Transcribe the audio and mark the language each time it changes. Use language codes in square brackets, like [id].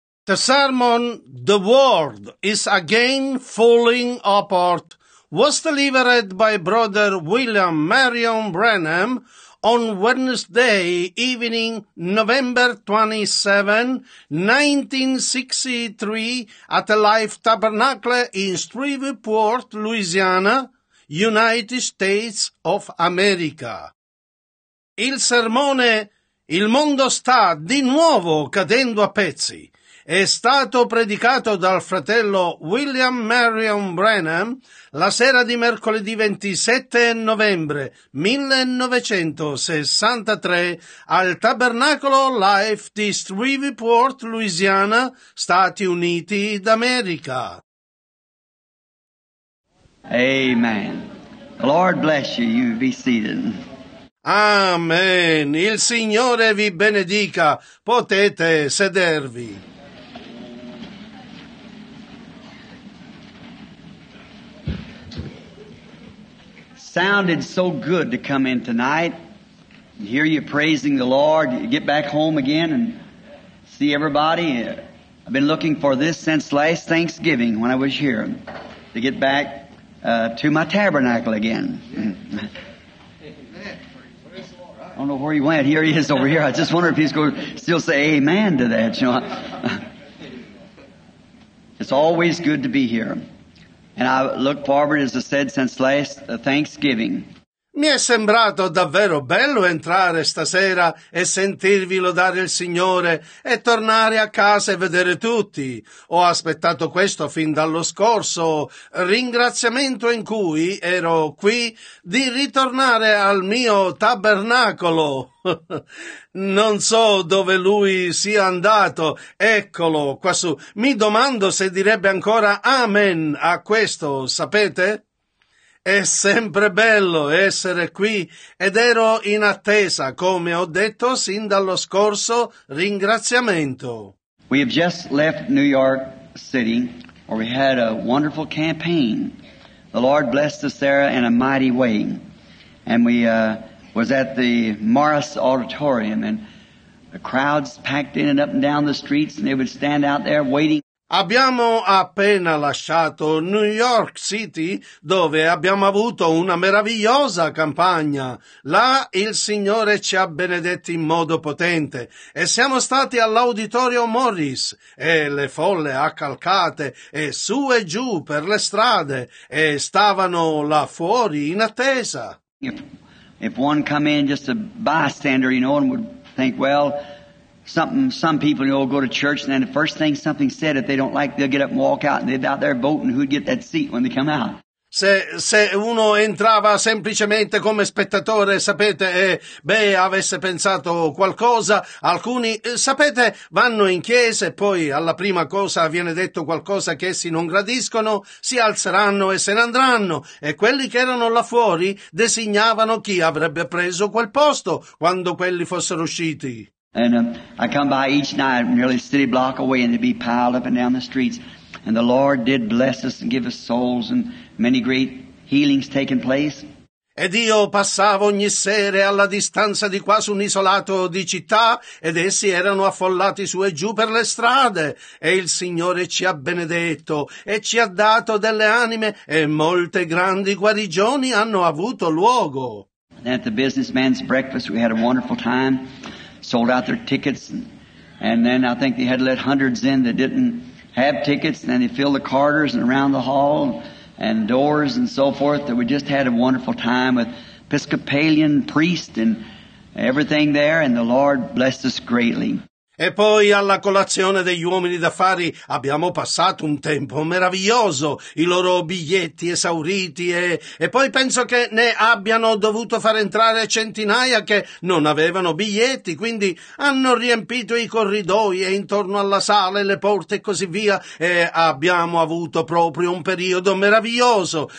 [en] The sermon, "The World is Again Falling Apart," was delivered by Brother William Marion Branham on Wednesday evening, November 27, 1963, at the Life Tabernacle in Shreveport, Louisiana, United States of America. [it] Il sermone "Il mondo sta di nuovo cadendo a pezzi" è stato predicato dal fratello William Marion Branham la sera di mercoledì 27 novembre 1963 al Tabernacolo Life di Shreveport, Louisiana, Stati Uniti d'America. [en] Amen. Lord bless you, you be seated. [it] Amen. Il Signore vi benedica. Potete sedervi. [en] Sounded so good to come in tonight and hear you praising the Lord. You get back home again and see everybody. I've been looking for this since last Thanksgiving when I was here to get back to my tabernacle again. I don't know where he went. Here he is over here. I just wonder if he's going to still say amen to that. You know? It's always good to be here. And I look forward, as I said, since last Thanksgiving. [it] Mi è sembrato davvero bello entrare stasera e sentirvi lodare il Signore e tornare a casa e vedere tutti. Ho aspettato questo fin dallo scorso ringraziamento in cui ero qui di ritornare al mio tabernacolo. Non so dove lui sia andato. Eccolo quassù. Mi domando se direbbe ancora amen a questo, sapete? È sempre bello essere qui ed ero in attesa, come ho detto, sin dallo scorso ringraziamento. [en] We have just left New York City, where we had a wonderful campaign. The Lord blessed us there in a mighty way. And we was at the Morris Auditorium, and the crowds packed in and up and down the streets, and they would stand out there waiting. [it] Abbiamo appena lasciato New York City, dove abbiamo avuto una meravigliosa campagna. Là il Signore ci ha benedetti in modo potente e siamo stati all'Auditorio Morris e le folle accalcate e su e giù per le strade e stavano là fuori in attesa. [en] If one come in just a bystander, you know, and would think, well, some people, you know, go to church, and then the first thing something said, if they don't like, they'll get up and walk out, and they'd be out there voting who'd get that seat when they come out. [it] Se uno entrava semplicemente come spettatore, sapete, e beh, avesse pensato qualcosa, alcuni, sapete, vanno in chiesa e poi alla prima cosa viene detto qualcosa che essi non gradiscono, si alzeranno e se ne andranno, e quelli che erano là fuori designavano chi avrebbe preso quel posto quando quelli fossero usciti. [en] And I come by each night, nearly a city block away, and they'd be piled up and down the streets. And the Lord did bless us and give us souls, and many great healings taking place. [it] Ed io passavo ogni sera alla distanza di quasi un isolato di città, ed essi erano affollati su e giù per le strade. E il Signore ci ha benedetto e ci ha dato delle anime, e molte grandi guarigioni hanno avuto luogo. [en] And at the businessman's breakfast, we had a wonderful time. Sold out their tickets, and then I think they had let hundreds in that didn't have tickets, and then they filled the corridors and around the hall and doors and so forth. That we just had a wonderful time with Episcopalian priest and everything there, and the Lord blessed us greatly. [it] E poi alla colazione degli uomini d'affari abbiamo passato un tempo meraviglioso, i loro biglietti esauriti e poi penso che ne abbiano dovuto far entrare centinaia che non avevano biglietti, quindi hanno riempito i corridoi e intorno alla sala e le porte e così via e abbiamo avuto proprio un periodo meraviglioso.